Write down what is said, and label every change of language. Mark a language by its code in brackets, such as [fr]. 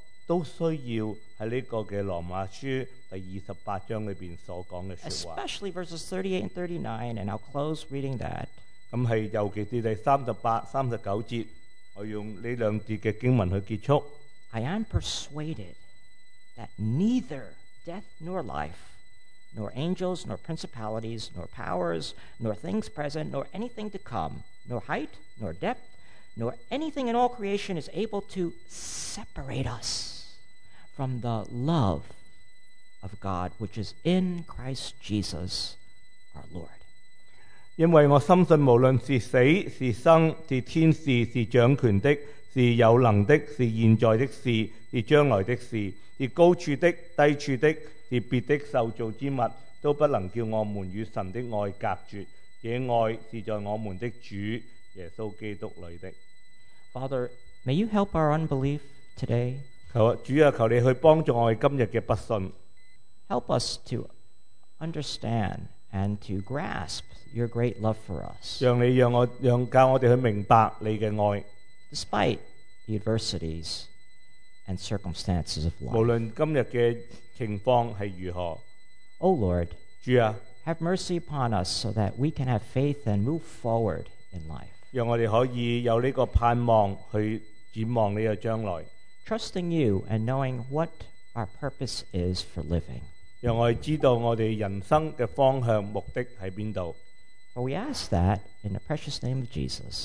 [zh] 都需要在这个的罗马书第28章里面所讲的说话。 [en] Especially verses 38 and 39, and I'll close reading that. [zh] 那是尤其是第38、39节，我用这两节的经文去结束。 [en] I am persuaded that neither death nor life, nor angels, nor principalities, nor powers, nor things present, nor anything to come, nor height, nor depth, nor anything in all creation is able to separate us from the love of God, which is in Christ Jesus, our Lord. [zh] 因为我深信无论是死是生是天使是掌权的是有能的是现在的事是将来的事是高处的低处的是别的受造之物都不能叫我们与神的爱隔绝这爱是在我们的主耶稣基督里的。 [en] Father, may you help our unbelief today. [zh] 主啊，求你去帮助我们今天的不信。 [en] Help us to understand and to grasp your great love for us. [zh] 教我们去明白你的爱。 [en] Despite the adversities and circumstances of life. [zh] 无论今天的情况是如何。 [en] O Lord, [zh] 主啊， [en] have mercy upon us so that we can have faith and move forward in life. [zh] 让我们可以有这个盼望去展望这个将来 [en] Trusting you and knowing what our purpose is for living [zh] 让我们知道我们人生的方向目的在哪里 [en] For we ask that in the precious name of Jesus